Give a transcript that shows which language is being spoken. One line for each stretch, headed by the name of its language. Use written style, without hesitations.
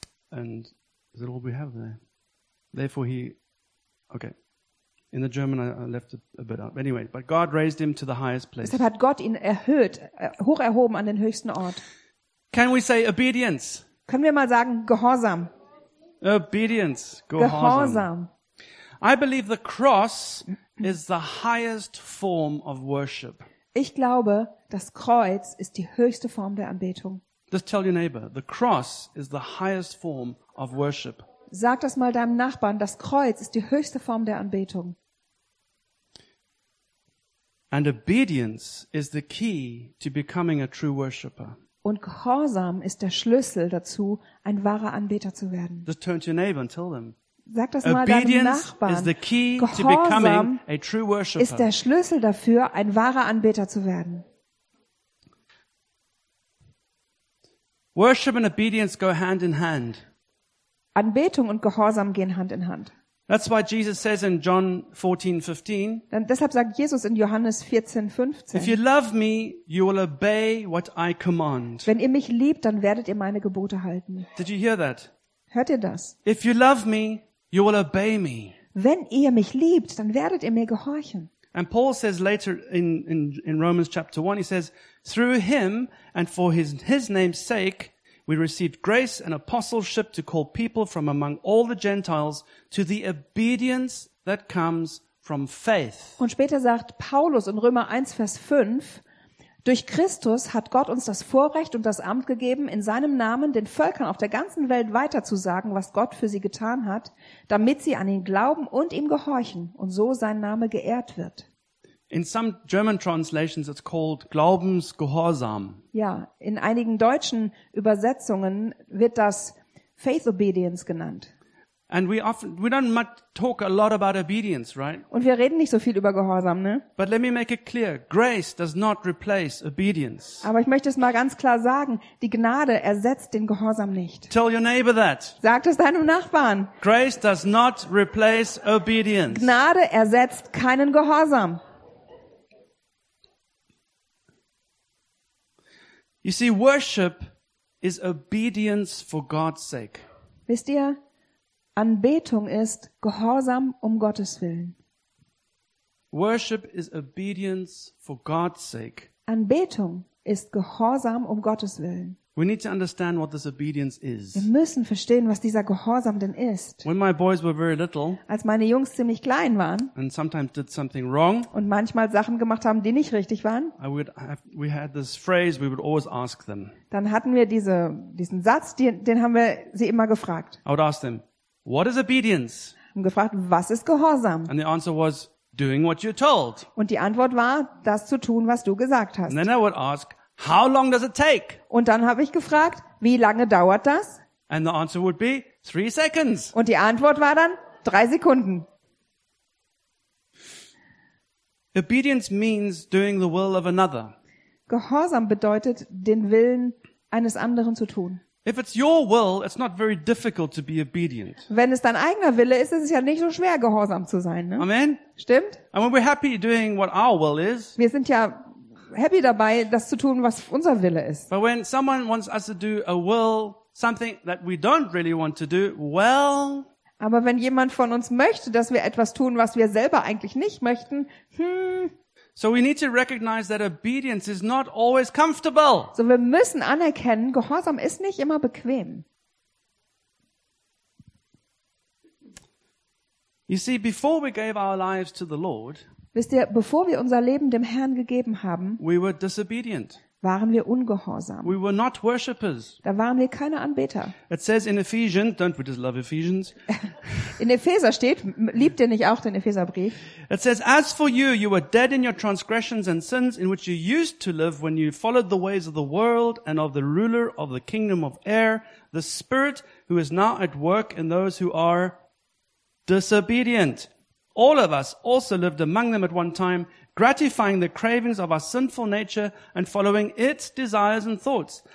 English: And is that all we have there? Therefore he, okay. In the German I left it a bit out. Anyway, but God raised him to the highest place.
German: Deshalb hat Gott ihn erhöht, hoch erhoben an den höchsten Ort.
English: Can we say obedience?
German: Können wir mal sagen Gehorsam?
English: Obedience, Gehorsam.
German: Gehorsam.
English: I believe the cross is the highest form of worship.
German: Ich glaube, das Kreuz ist die höchste Form der Anbetung.
English: Just tell your neighbor, the cross is the highest form of worship.
German: Sag das mal deinem Nachbarn, das Kreuz ist die höchste Form der Anbetung.
English: And obedience is the key to becoming a true worshipper.
German: Und Gehorsam ist der Schlüssel dazu, ein wahrer Anbeter zu werden.
English: Just turn to your neighbor and tell them.
German: Sag das mal deinem Nachbarn. Gehorsam ist der Schlüssel dafür, ein wahrer Anbeter zu werden.
English: Worship and obedience go hand in hand.
German: Anbetung und Gehorsam gehen Hand in Hand.
English: That's why Jesus says in John 14:15.
German: Dann deshalb sagt Jesus in Johannes 14:15.
English: If you love me, you will obey what I command.
German: Wenn ihr mich liebt, dann werdet ihr meine Gebote halten.
English: Did you hear that?
German: Hört ihr das?
English: If you love me, you will obey me.
German: Wenn ihr mich liebt, dann werdet ihr mir gehorchen.
English: And Paul says later in Romans chapter 1, he says, through him and for his name's sake, we received grace and apostleship to call people from among all the Gentiles to the obedience that comes from faith.
German: Und später sagt Paulus in Römer 1, Vers 5, durch Christus hat Gott uns das Vorrecht und das Amt gegeben, in seinem Namen den Völkern auf der ganzen Welt weiterzusagen, was Gott für sie getan hat, damit sie an ihn glauben und ihm gehorchen und so sein Name geehrt wird.
English: In some German translations it's called Glaubensgehorsam.
German: Ja, in einigen deutschen Übersetzungen wird das Faith Obedience genannt.
English: And we don't talk a lot about obedience, right?
German: Und wir reden nicht so viel über Gehorsam, ne?
English: But let me make it clear, grace does not replace obedience.
German: Aber ich möchte es mal ganz klar sagen, die Gnade ersetzt den Gehorsam nicht.
English: Tell your neighbor that.
German: Sag es deinem Nachbarn.
English: Grace does not replace obedience.
German: Gnade ersetzt keinen Gehorsam.
English: You see, worship is obedience for God's sake.
German: Wisst ihr, Anbetung ist Gehorsam um Gottes Willen.
English: Worship is obedience for God's sake.
German: Anbetung ist Gehorsam um Gottes Willen.
English: We need to understand what this obedience is.
German: Wir müssen verstehen, was dieser Gehorsam denn ist.
English: When my boys were very little,
German: als meine Jungs ziemlich klein waren
English: and sometimes did something wrong,
German: und manchmal Sachen gemacht haben, die nicht richtig waren,
English: we had this phrase we would always ask them.
German: Dann hatten wir diesen Satz, den haben wir sie immer gefragt.
English: I would ask them, what is obedience?
German: Und gefragt, was ist Gehorsam?
English: And the answer was, doing what you're told.
German: Und die Antwort war, das zu tun, was du gesagt hast.
English: And then I would ask, how long does it take?
German: Und dann habe ich gefragt, wie lange dauert das?
English: And the answer would be 3 seconds.
German: Und die Antwort war dann 3 Sekunden.
English: Obedience means doing the will of another.
German: Gehorsam bedeutet, den Willen eines anderen zu tun.
English: If it's your will, it's not very difficult to be obedient.
German: Wenn es dein eigener Wille ist, ist es ja nicht so schwer, gehorsam zu sein, ne?
English: Amen.
German: Stimmt?
English: And when we're happy doing what our will is.
German: Wir sind ja happy dabei, das zu tun, was unser Wille ist.
English: But when someone wants us to do a will, something that we don't really want to do, well.
German: Aber wenn jemand von uns möchte, dass wir etwas tun, was wir selber eigentlich nicht möchten,
English: So we need to recognize that obedience is not always comfortable.
German: So wir müssen anerkennen, Gehorsam ist nicht immer bequem.
English: You see, before we gave our lives to the Lord,
German: wisst ihr, bevor wir unser Leben dem Herrn gegeben haben,
English: we were disobedient.
German: Waren wir ungehorsam.
English: We were not worshippers.
German: Da waren wir keine Anbeter.
English: It says in Ephesians, don't we just love Ephesians?
German: In Epheser steht, liebt ihr nicht auch den Epheserbrief?
English: It says, as for you, you were dead in your transgressions and sins, in which you used to live when you followed the ways of the world and of the ruler of the kingdom of air, the spirit who is now at work in those who are disobedient. All of us also lived among them at one time, gratifying the cravings of our sinful nature and following its desires and thoughts.